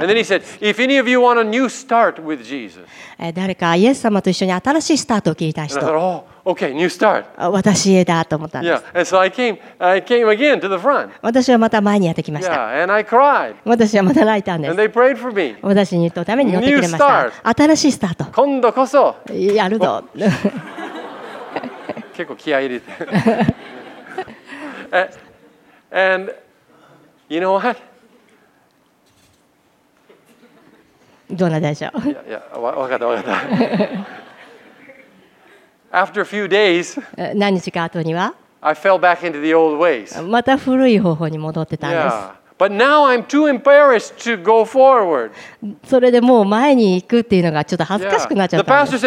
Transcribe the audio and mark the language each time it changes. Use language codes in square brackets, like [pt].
[en] And then he said, if any of you want a new start with Jesus, [ja] 誰かイエス様と一緒に新しいスタートを切りたい人。 [en] Okay, new start. [ja] 私へだと思ったんです。 [en] Yeah, and so I came again to the front. [ja] 私はまた前にやってきました。 [en] Yeah, and I cried. [ja] 私はまた泣いたんです。 [en] And they prayed for me. [ja] 私に言ったために乗ってくれました。 [en] New start. [ja] 新しいスタート。今度こそ。やるぞ。結構気合い入れて。 [en] And you know what? [ja] どうなんでしょう? Yeah, わかった。 [en] After a few days, [ja] 何日か後には? [en] I fell back into the old ways. [ja] また古い方法に戻ってたんです。 [en] But now I'm too embarrassed to go forward. [ja] それでもう前に行くっていうのがちょっと恥ずかしくなっちゃったんです。